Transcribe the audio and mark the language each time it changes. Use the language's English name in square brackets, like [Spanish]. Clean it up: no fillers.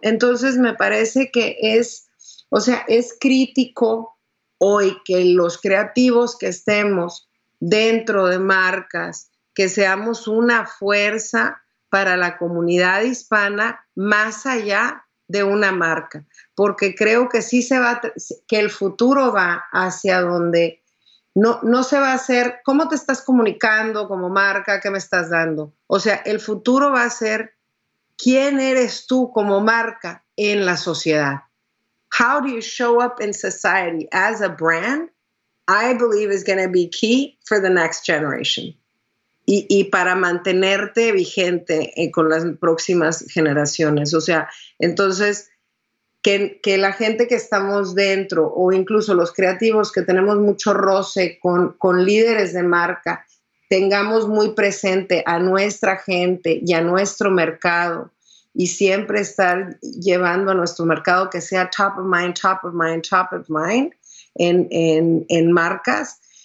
[Spanish] Entonces me parece que es, o sea, es crítico hoy que los creativos que estemos dentro de marcas, que seamos una fuerza para la comunidad hispana más allá de una marca, porque creo que sí se va, que el futuro va hacia donde no se va a hacer cómo te estás comunicando como marca, qué me estás dando. O sea, el futuro va a ser quién eres tú como marca en la sociedad. [English] How do you show up in society as a brand? I believe is going to be key for the next generation. [Spanish] Y para mantenerte vigente con las próximas generaciones. O sea, entonces, que la gente que estamos dentro o incluso los creativos que tenemos mucho roce con líderes de marca, tengamos muy presente a nuestra gente y a nuestro mercado y siempre estar llevando a nuestro mercado que sea top of mind, top of mind, top of mind en marcas.